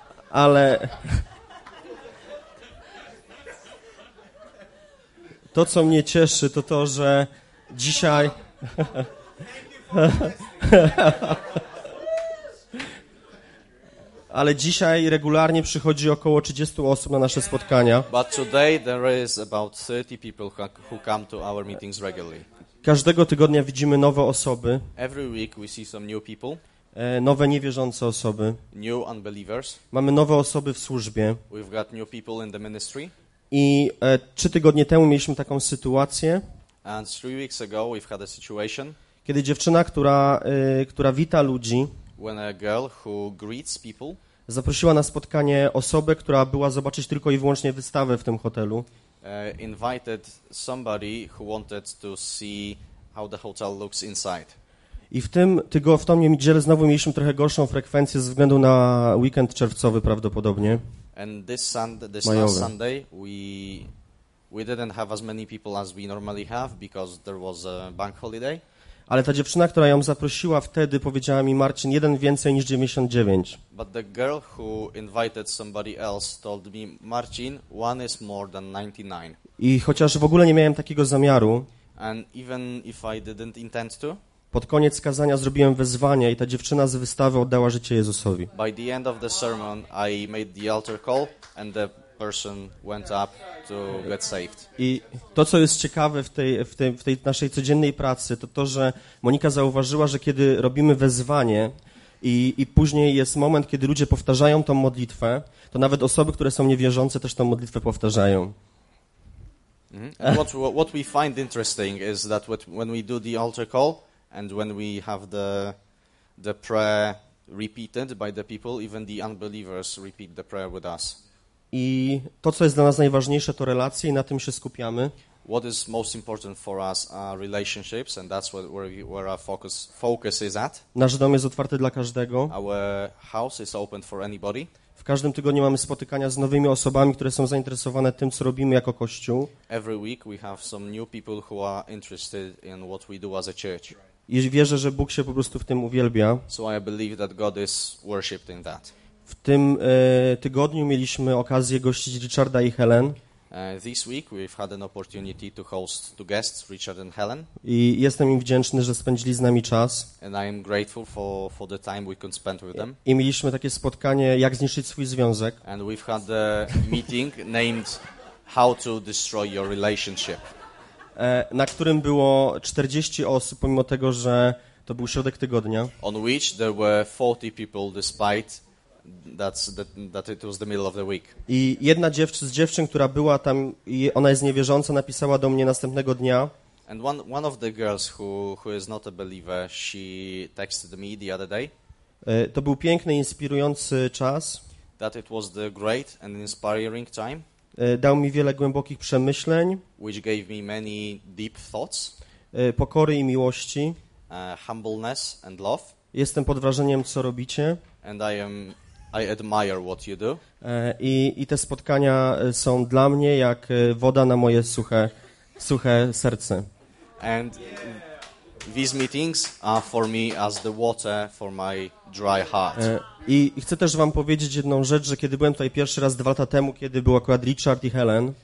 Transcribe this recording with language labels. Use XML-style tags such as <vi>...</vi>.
<pl>Ale to, co mnie cieszy, to to, że dzisiaj ale dzisiaj regularnie przychodzi około 30 osób na nasze spotkania.</pl> <en>But today there is about 30 people who come to our meetings regularly.</en> <pl>Każdego tygodnia widzimy nowe osoby.</pl> <en>Every week we see some new people.</en> <pl>Nowe niewierzące osoby.</pl> <en>New unbelievers.</en> <pl>Mamy nowe osoby w służbie.</pl> <en>We've got new people in the ministry.</en> <pl>I 3 tygodnie temu mieliśmy taką sytuację.</pl> <en>And 3 weeks ago we've had a situation.</en> <pl>Kiedy dziewczyna, która wita ludzi,</pl> <en>when a girl who greets people</en> <pl>zaprosiła na spotkanie osobę, która była zobaczyć tylko i wyłącznie wystawę w tym hotelu.</pl> <en>Invited somebody who wanted to see how the hotel looks inside.</en> <pl>I w tym w tą niedzielę znowu mieliśmy trochę gorszą frekwencję ze względu na weekend czerwcowy prawdopodobnie.</pl> <en>And this Sunday, this majowy. Last Sunday, we didn't have as many people as we normally have because there was a bank holiday.</en> <pl>Ale ta dziewczyna, która ją zaprosiła wtedy, powiedziała mi: Marcin, jeden więcej niż 99.</pl> <en>But the girl who invited somebody else told me: Marcin, one is more than 99.</en> <pl>I chociaż w ogóle nie miałem takiego zamiaru,</pl> <en>and even if I didn't intend to,</en> <pl>pod koniec kazania zrobiłem wezwanie i ta dziewczyna z wystawy oddała życie Jezusowi.</pl> <en>By the end of the sermon, I made the altar call and the person went up to get saved.</en> <pl>I to, co jest ciekawe w tej naszej codziennej pracy, to, że Monika zauważyła, że kiedy robimy wezwanie i później jest moment, kiedy ludzie powtarzają tą modlitwę, to nawet osoby, które są niewierzące, też tą modlitwę powtarzają. Mm-hmm.</pl> <en>What we find interesting is that when we do the altar call and when we have the prayer repeated by the people, even the unbelievers repeat the prayer with us.</en> <pl>I to, co jest dla nas najważniejsze, to relacje i na tym się skupiamy.</pl> <en>What is most important for us are relationships and that's where our focus is at.</en> <pl>Nasz dom jest otwarty dla każdego.</pl> <en>Our house is open for anybody.</en> <pl>W każdym tygodniu mamy spotykania z nowymi osobami, które są zainteresowane tym, co robimy jako Kościół.</pl> <en>Every week we have some new people who are interested in what we do as a church.</en> <pl>I wierzę, że Bóg się po prostu w tym uwielbia.</pl> <en>So I believe that God is worshipped in that.</en> <pl>W tym tygodniu mieliśmy okazję gościć Richarda i Helen.</pl> <en>This week we've had an opportunity to host two guests, Richard and Helen.</en> <pl>I jestem im wdzięczny, że spędzili z nami czas.</pl> <en>And I am grateful for the time we could spend with them.</en> <pl>I mieliśmy takie spotkanie, jak zniszczyć swój związek.</pl> <en>And we've had a meeting named How to Destroy Your Relationship.</en> <pl>Na którym było 40 osób, pomimo tego, że to był środek tygodnia.</pl> <en>On which there were 40 people despite that it was the middle of the week.</en> <pl>I jedna dziewczyn, która była tam, i ona jest niewierząca, napisała do mnie następnego dnia.</pl> <en>And one of the girls who is not a believer, she texted me the other day.</en> <pl>To był piękny, inspirujący czas.</pl> <en>That it was the great and inspiring time.</en> <pl>Dał mi wiele głębokich przemyśleń.</pl> <en>Which gave me many deep thoughts.</en> <pl>Pokory i miłości.</pl> <en>Humbleness and love.</en> <pl>Jestem pod wrażeniem, co robicie.</pl> <en>And I admire what you do.</en> <pl>I te spotkania są dla mnie jak woda na moje suche serce.</pl> <en>And these meetings are for me as the water for my dry heart.</en> <pl>I chcę też wam powiedzieć jedną rzecz, że kiedy byłem tutaj pierwszy raz 2 lata temu, kiedy był akurat Richard i Helen.</pl>